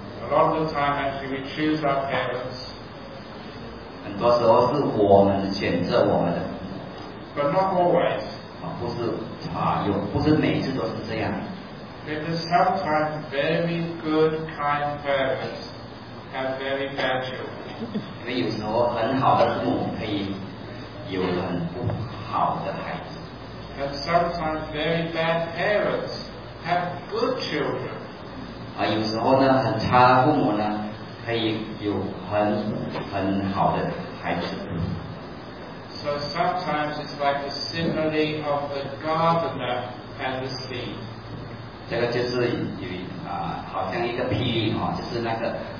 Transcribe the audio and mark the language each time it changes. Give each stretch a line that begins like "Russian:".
English: A lot of the time, actually, we choose our parents.
Chinese: 很多时候是我们选择我们的。
English: But not always.
Chinese: 不是啊，有不是每次都是这样。
English: There are sometimes very good, kind parents. Have very bad children.
Chinese: 因为有时候很好的父母可以有很不好的孩子。
English: And sometimes very bad parents have good children.
Chinese: 啊，有时候呢，很差的父母呢，可以有很好的孩子。
English: So sometimes it's like a simile of the gardener and the seed.
Chinese: 这个就是有啊，好像一个比喻哈，就是那个。